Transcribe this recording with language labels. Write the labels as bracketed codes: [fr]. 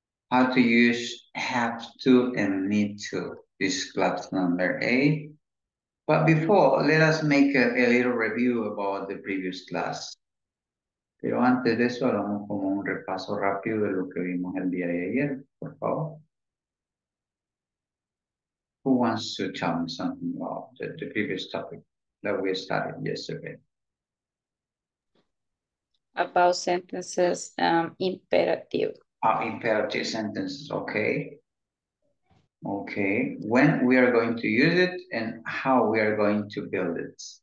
[en] How to use have to and need to. This is class number A. But before, let us make a little review about the previous class. [es] Pero antes de eso, hagamos como un repaso rápido de lo que vimos el día de ayer, por favor. [en] Who wants to tell me something about the previous topic that we started yesterday? About sentences imperative. Imperative sentences, okay. Okay, when we are going to use it and how we are going to build it.